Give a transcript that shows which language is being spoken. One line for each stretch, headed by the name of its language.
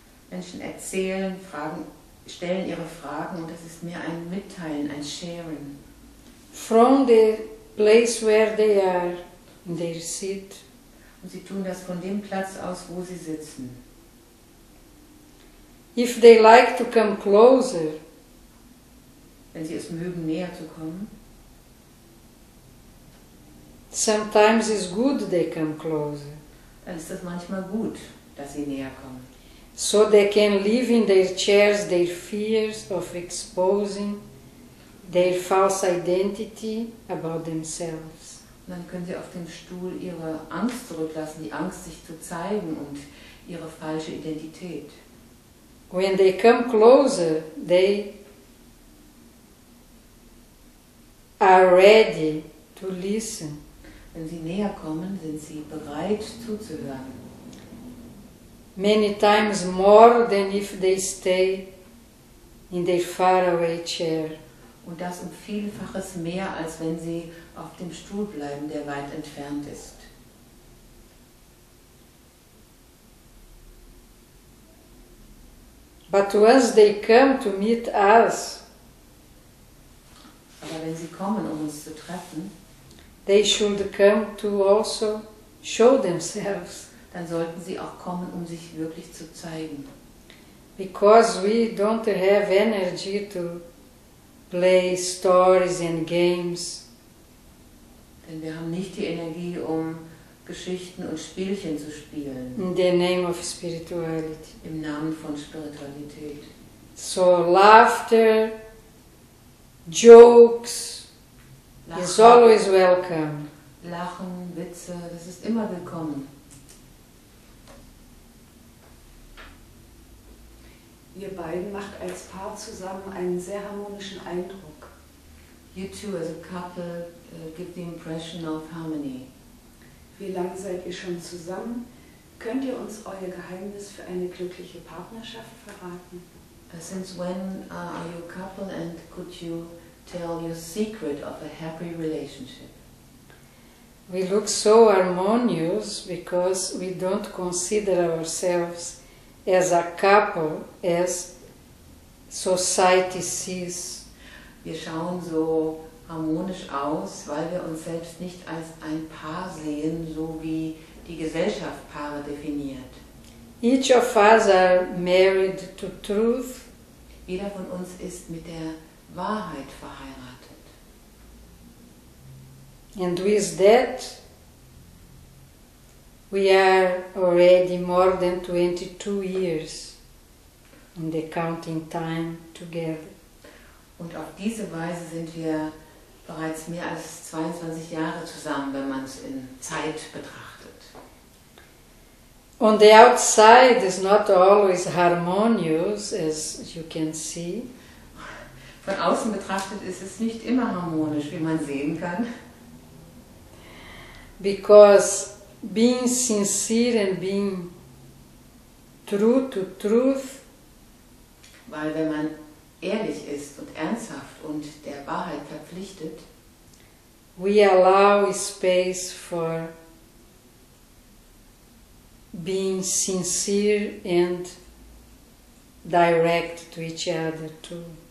German: Menschen erzählen, fragen, stellen ihre Fragen, und das ist mehr ein Mitteilen, ein Sharing.
English: From the place where they are, in their seat.
German: Und sie tun das von dem Platz aus, wo sie sitzen.
English: If they like to come closer,
German: wenn sie es mögen, näher zu kommen.
English: Sometimes it's good they come closer.
German: Dann ist es manchmal gut, dass sie näher kommen.
English: So they can leave in their chairs their fears of exposing their false identity about themselves.
German: Und dann können sie auf dem Stuhl ihre Angst zurücklassen, die Angst, sich zu zeigen und ihre falsche Identität.
English: When they come closer, they are ready to listen.
German: Wenn sie näher kommen, sind sie bereit zuzuhören.
English: Many times more than if they stay in their faraway chair.
German: Und das um vielfaches mehr, als wenn sie auf dem Stuhl bleiben, der weit entfernt ist.
English: But once they come to meet us,
German: aber wenn sie kommen, um uns zu treffen,
English: they should come to also show themselves.
German: Dann sollten sie auch kommen, um sich wirklich zu zeigen.
English: Because we don't have energy to play stories and games.
German: Denn wir haben nicht die Energie, um Geschichten und Spielchen zu spielen.
English: In the name of spirituality.
German: Im Namen von Spiritualität.
English: So laughter, jokes, lachen, is always welcome.
German: Lachen, Witze, das ist immer willkommen. Ihr beiden macht als Paar zusammen einen sehr harmonischen Eindruck.
English: You two as a couple give the impression of harmony.
German: Wie lange seid ihr schon zusammen? Könnt ihr uns euer Geheimnis für eine glückliche Partnerschaft verraten?
English: Since when are you a couple and could you tell your secret of a happy relationship? We look so harmonious because we don't consider ourselves as a couple, as society sees.
German: Wir schauen so harmonisch aus, weil wir uns selbst nicht als ein Paar sehen, so wie die Gesellschaft Paare definiert.
English: Each of us are married to truth.
German: Jeder von uns ist mit der Wahrheit verheiratet.
English: And with that, we are already more than 22 years in the counting time together.
German: Und auf diese Weise sind wir bereits mehr als 22 Jahre zusammen, wenn man es in Zeit betrachtet.
English: On the outside is not always harmonious, as you can see.
German: Von außen betrachtet ist es nicht immer harmonisch, wie man sehen kann.
English: because being sincere and being true to truth,
German: weil wenn man ehrlich ist und ernsthaft und der Wahrheit verpflichtet,
English: we allow space for being sincere and direct to each other too.